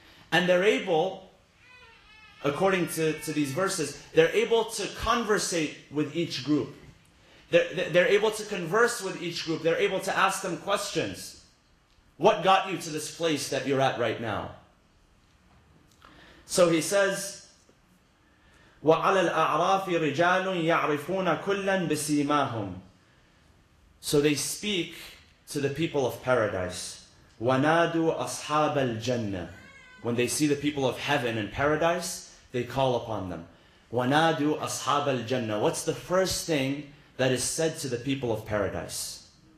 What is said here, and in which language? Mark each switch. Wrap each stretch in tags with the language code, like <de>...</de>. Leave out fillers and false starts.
<en>And they're able, according to these verses, they're able to conversate with each group. They're able to converse with each group. They're able to ask them questions. What got you to this place that you're at right now? So he says,</en> <ar>وَعَلَى الْأَعْرَافِ رِجَالٌ يَعْرِفُونَ كُلًّا بِسِيمَاهُمْ.</ar> <en>So they speak to the people of paradise.</en> <ar>وَنَادُوا أَصْحَابَ الْجَنَّةِ.</ar> <en>When they see the people of heaven and paradise, they call upon them.</en> <ar>وَنَادُوا أَصْحَابَ الْجَنَّةِ.</ar> <en>What's the first thing that is said to the people of paradise?</en>